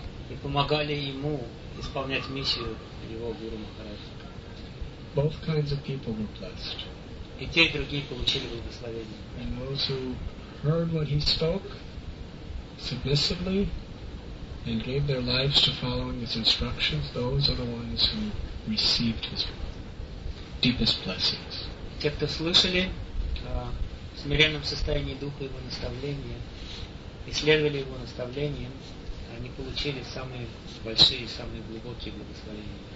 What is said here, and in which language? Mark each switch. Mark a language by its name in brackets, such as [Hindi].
[Russian] И помогали ему исполнять миссию его гуру Махараджа. [English] Both kinds of people were blessed. [Russian] И те, и другие получили благословение. [English] And those who heard what he spoke submissively and gave their lives to following his instructions, those are the ones who received his deepest blessings. [Russian] Те, кто слышали в смиренном состоянии духа его наставления, исследовали его наставления, они получили самые большие и самые глубокие благословения.